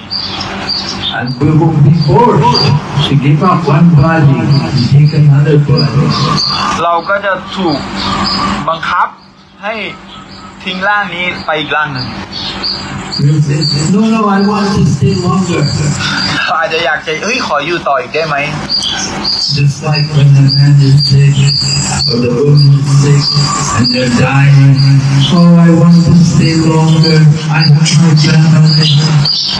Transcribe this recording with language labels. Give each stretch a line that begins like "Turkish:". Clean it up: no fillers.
English: And we will be forced to give up one body and take another body.
Thai: เราก็จะถูกบังคับให้ทิ้งร่างนี้ไปอีกร่างนึง
English: No no I want to stay longer
Thai: อาจจะอยากจะเฮ้ยขออยู่ต่ออีกได้ไหม
English: Just like when the man is sick or the woman is sick and they're dying So I want to stay longer I have my family